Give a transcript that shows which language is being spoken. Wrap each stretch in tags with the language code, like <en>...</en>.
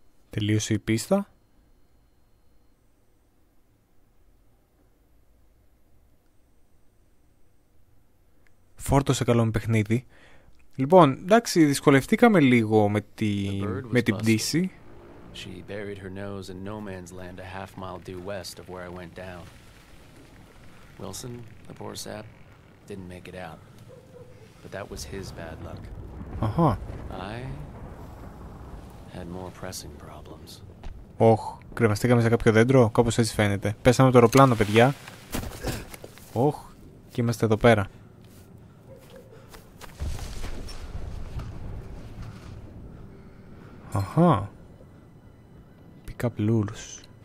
<el>Τελείωσε η πίστα. Φόρτωσε, καλό μου παιχνίδι. Λοιπόν, εντάξει, δυσκολευτήκαμε λίγο με την πτήση.</el> <en>She buried her nose in no man's land a half mile due west of where I went down. Wilson, the poor sap, didn't make it out. But that was his bad luck. Αχα. I had more pressing problems.</en> <el>Οχ, κρεμαστήκαμε σε κάποιο δέντρο, κάπως έτσι φαίνεται. Πέσαμε το αεροπλάνο, παιδιά. Οχ, και είμαστε εδώ πέρα. Αχα. Pick-up lures.</el>